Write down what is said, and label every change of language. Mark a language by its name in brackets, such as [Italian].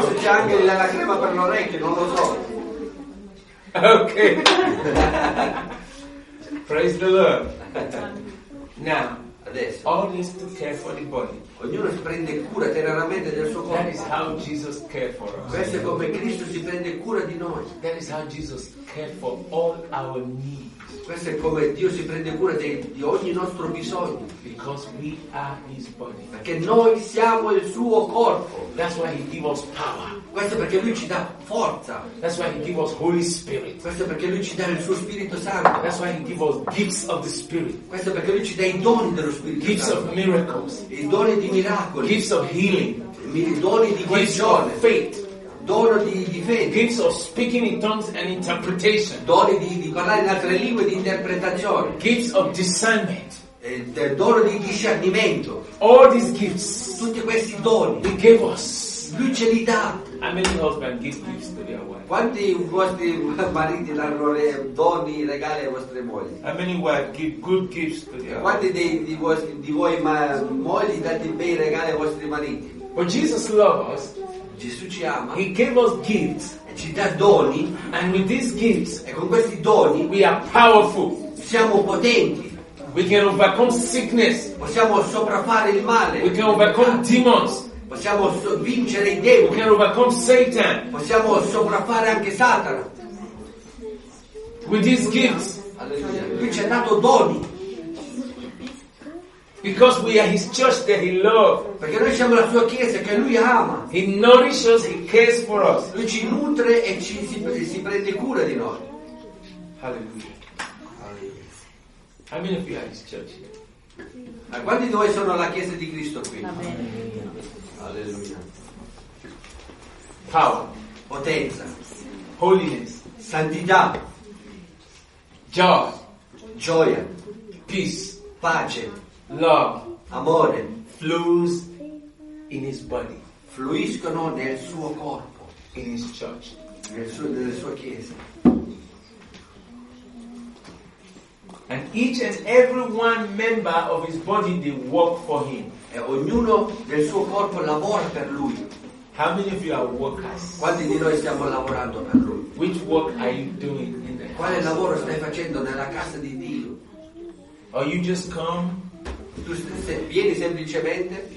[Italian] Forse c'è anche la crema per l'orecchio, non lo so. [English] Okay. Praise the Lord. Now, [Italian] adesso. [English] All is to care for the body. [Italian] Ognuno si prende cura teneramente del suo corpo. [English] That is how Jesus cared for us. [Italian] Questo è come Cristo si prende cura di noi. [English] That is how Jesus cared for all our needs. [Italian] Questo è come Dio si prende cura di ogni nostro bisogno. [English] Because we are His body. [Italian] Perché noi siamo il suo corpo. [English] That's why He gives us power. [Italian] Questo è perché Lui ci dà forza. [English] That's why He gives us Holy Spirit. [Italian] Questo è perché Lui ci dà il suo Spirito Santo. [English] That's why He gives us gifts of the Spirit. [Italian] Questo è perché Lui ci dà i doni dello Spirito. [English] Gifts of miracles. [Italian] I doni di miracoli. [English] Gifts of healing. [Italian] Doni di guarigione. [English] Faith. [Italian] Dono di fede. [English] Gifts of speaking in tongues and interpretation. [Italian] Doni di parlare in altre lingue, di interpretazione. [English] Gifts of discernment. [Italian] Il dono di discernimento. [English] All these gifts. [Italian] Tutti questi doni. [English] He gave us. [Italian] Lui ce li dà. [English] How many husbands give gifts to their wife? [Italian] Quanti vostri mariti danno doni, regali alle vostre mogli? [English] How many wives give good gifts to their wife? [Italian] Quanti di voi mogli date bei regali ai vostri mariti? [English] But Jesus loves us. [Italian] Gesù ci ama. [English] He gave us gifts. [Italian] E ci dà doni. [English] And with these gifts, [Italian] e con questi doni, [English] we are powerful. [Italian] Siamo potenti. [English] We can overcome sickness. [Italian] Possiamo sopraffare il male. [English] We can overcome demons. [Italian] Possiamo vincere i demoni. [English] We can overcome Satan. [Italian] Possiamo sopraffare anche Satana. [English] With these gifts. [Italian] Lui ci ha dato doni. [English] Because we are His church that He loves. [Italian] Perché noi siamo la sua chiesa che Lui ama. [English] He nourishes, He cares for us. [Italian] Lui ci nutre e ci si prende cura di noi. [English] Hallelujah. How many of you are His church here? [Italian] Ma quanti di voi sono la chiesa di Cristo qui? [English] Alleluia. Power. [Italian] Potenza. [English] Holiness. [Italian] Santità. [English] Joy. [Italian] gioia, [English] peace, [Italian] pace, [English] love, [Italian] amore, [English] flows in his body, [Italian] fluiscono nel suo corpo, [English] in his church, [Italian] nella sua chiesa. [English] And each and every one member of his body, they work for him. [Italian] E ognuno del suo corpo lavora per lui. [English] How many of you are workers? [Italian] Quanti di noi stiamo lavorando per lui? [English] Which work are you doing in the [Italian] Quale house lavoro stai facendo nella casa di Dio? [English] Or you just come? [Italian] Tu vieni semplicemente.